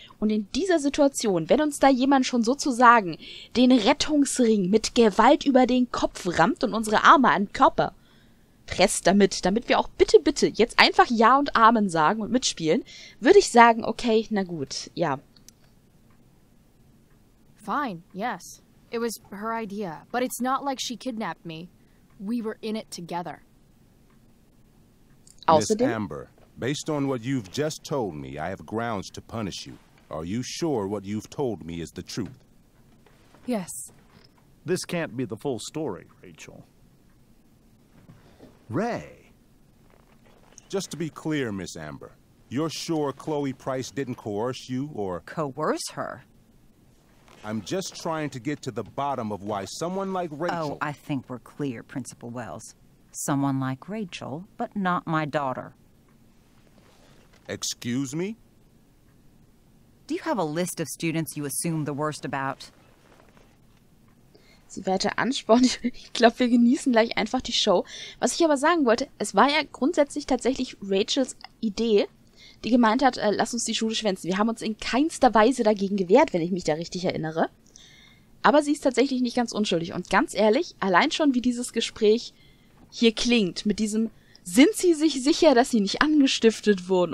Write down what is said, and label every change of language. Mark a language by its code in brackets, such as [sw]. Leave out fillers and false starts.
[de] Und in dieser Situation, wenn uns da jemand schon sozusagen den Rettungsring mit Gewalt über den Kopf rammt und unsere Arme an den Körper presst damit wir auch bitte, bitte jetzt einfach Ja und Amen sagen und mitspielen, würde ich sagen, okay, na gut, ja. [en] Fine, yes. It was her idea, but it's not like she kidnapped me. We were in it together. [de] Außerdem, [en] Miss Amber, based on what you've just told me, I have grounds to punish you. Are you sure what you've told me is the truth? Yes. This can't be the full story, Rachel. Ray. Just to be clear, Miss Amber, you're sure Chloe Price didn't coerce you or... Coerce her? I'm just trying to get to the bottom of why someone like Rachel... Oh, I think we're clear, Principal Wells. Someone like Rachel, but not my daughter. Excuse me? Do you have a list of students you assume the worst about? [de] Sie weiter anspornen. Ich glaube, wir genießen gleich einfach die Show. Was ich aber sagen wollte, es war ja grundsätzlich tatsächlich Rachels Idee, die gemeint hat, lass uns die Schule schwänzen. Wir haben uns in keinster Weise dagegen gewehrt, wenn ich mich da richtig erinnere. Aber sie ist tatsächlich nicht ganz unschuldig. Und ganz ehrlich, allein schon wie dieses Gespräch hier klingt, mit diesem, sind sie sich sicher, dass sie nicht angestiftet wurden?